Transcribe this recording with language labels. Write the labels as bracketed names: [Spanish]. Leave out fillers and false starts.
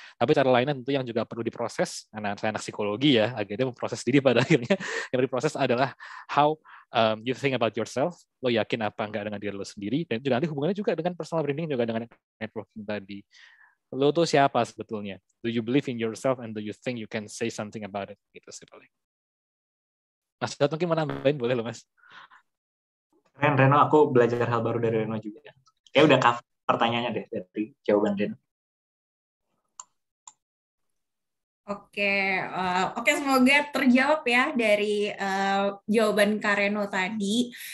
[Indonesian] Tapi cara lainnya tentu yang juga perlu diproses, karena saya anak psikologi ya, akhirnya memproses diri pada akhirnya, yang diproses adalah [English] how you think about yourself, [Indonesian] lo yakin apa enggak dengan diri lo sendiri, dan juga nanti hubungannya juga dengan personal branding, juga dengan networking tadi. Lo tuh siapa sebetulnya? [English] Do you believe in yourself and do you think you can say something about it? [Indonesian] Gitu sih paling. Mas Dato mungkin mau nambahin, boleh lo mas. Keren, Reno, aku belajar hal baru dari Reno juga. Kayak udah cover pertanyaannya deh dari jawaban Reno. Oke, semoga terjawab ya dari jawaban Kak Reno tadi.